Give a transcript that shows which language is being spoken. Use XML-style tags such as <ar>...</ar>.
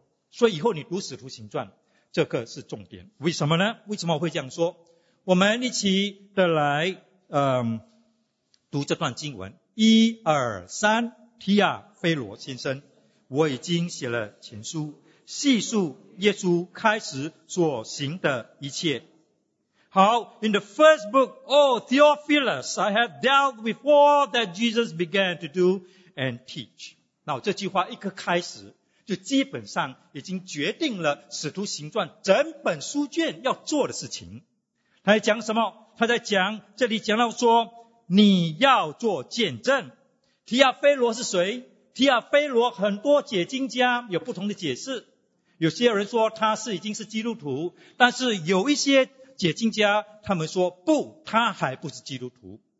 <zh>所以以后你读使徒行传，这个是重点。为什么呢？为什么我会这样说？我们一起的来读这段经文，一二三，提亚菲罗先生，我已经写了情书，细述耶稣开始所行的一切。</zh> <en>How in the first book, O Theophilus, I have dealt with all that Jesus began to do and teach.</en> <zh>那这句话一个开始，就基本上已经决定了《使徒行传》整本书卷要做的事情。他在讲什么？他在讲，这里讲到说，你要做见证。提亚菲罗是谁？提亚菲罗很多解经家有不同的解释，有些人说他是已经是基督徒，但是有一些解经家他们说不，他还不是基督徒。</zh>